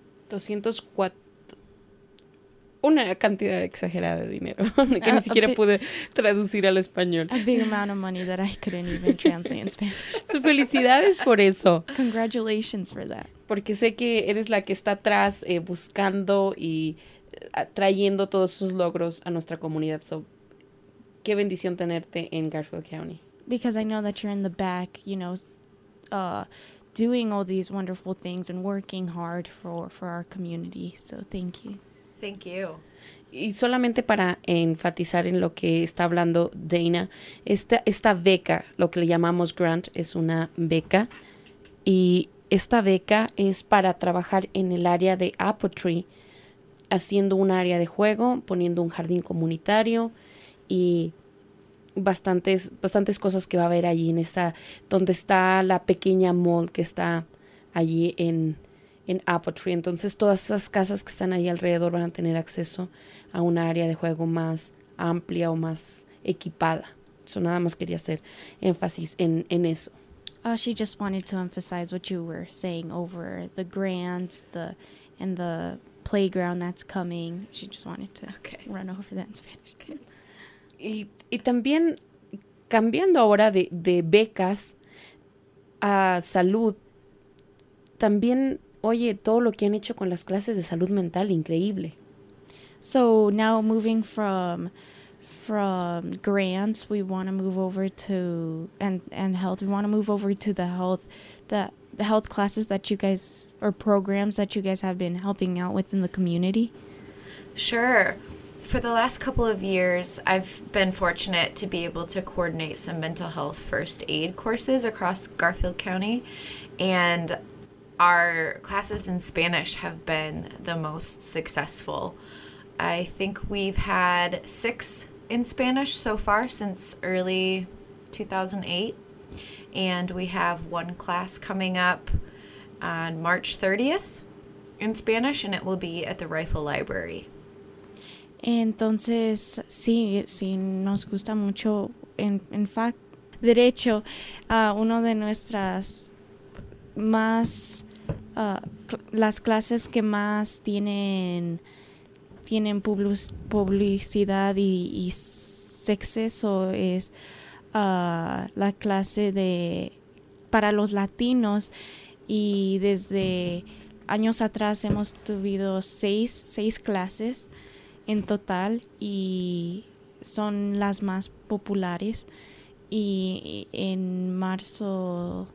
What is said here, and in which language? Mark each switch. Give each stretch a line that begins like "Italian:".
Spanish: 204, una cantidad exagerada de dinero que ni siquiera pude traducir al español.
English: A big amount of money that I couldn't even translate in Spanish.
Spanish: So, felicidades por eso.
English: Congratulations for that.
Spanish: Porque sé que eres la que está atrás buscando y trayendo todos sus logros a nuestra comunidad. So, qué bendición tenerte en Garfield County.
English: Because I know that you're in the back, you know, doing all these wonderful things and working hard for our community. So thank you. Thank you.
Spanish: Y solamente para enfatizar en lo que está hablando Dana, esta beca, lo que le llamamos grant, es una beca. Y esta beca es para trabajar en el área de Appletree, haciendo un área de juego, poniendo un jardín comunitario y bastantes cosas que va a haber allí en esa, donde está la pequeña mall que está allí en Appletree. Entonces todas esas casas que están ahí alrededor van a tener acceso a un área de juego más amplia o más equipada. Eso nada más quería hacer énfasis en eso.
English: She just wanted to emphasize what you were saying over the grants, and the playground that's coming. She just wanted to run over that in Spanish.
Spanish: Y también, cambiando ahora de becas a salud, también, oye, todo lo que han hecho con las clases de salud mental, increíble.
English: So now moving from grants, we want to move over to, and health, we want to move over to the health classes that you guys, or programs that you guys have been helping out with in the community. Sure. For the last couple of years, I've been fortunate to be able to coordinate some mental health first aid courses across Garfield County, and our classes in Spanish have been the most successful. I think we've had 6 in Spanish so far since early 2008, and we have 1 class coming up on March 30th in Spanish, and it will be at the Rifle Library.
Spanish: Entonces, sí, nos gusta mucho, en fact, derecho, uno de nuestras más, las clases que más tienen publicidad y suceso es la clase de, para los latinos, y desde años atrás hemos tenido 6 clases en total, y son las más populares, y en marzo